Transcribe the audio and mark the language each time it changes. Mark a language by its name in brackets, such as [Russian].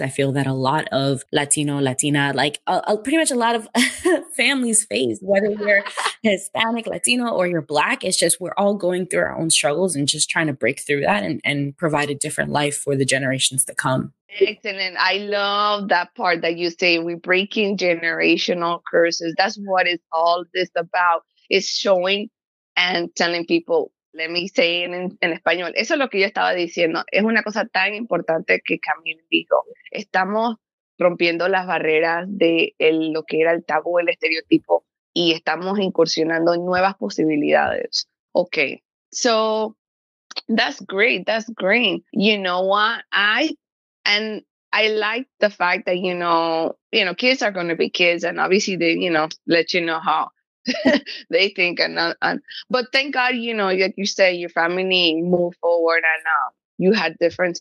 [English] I feel that a lot of Latino, Latina, like pretty much a lot of families face, whether you're Hispanic, Latino, or you're Black, it's just we're all going through our own struggles and just trying to break through that and provide a different life for the generations to come. Excellent. I love that part that you say, we're breaking generational curses. That's what it's all this about, is showing and telling people. Let me say [Spanish] en español. Eso es lo que yo estaba diciendo. Es una cosa tan importante que Camille dijo. Estamos rompiendo las barreras de lo que era el tabú, el estereotipo, y estamos incursionando nuevas posibilidades. [English] Okay. So, that's great. That's great. You know what? I like the fact that, you know, kids are going to be kids, and obviously they, you know, let you know how. They think, but thank God, you know, like you say, your family moved forward and you had difference.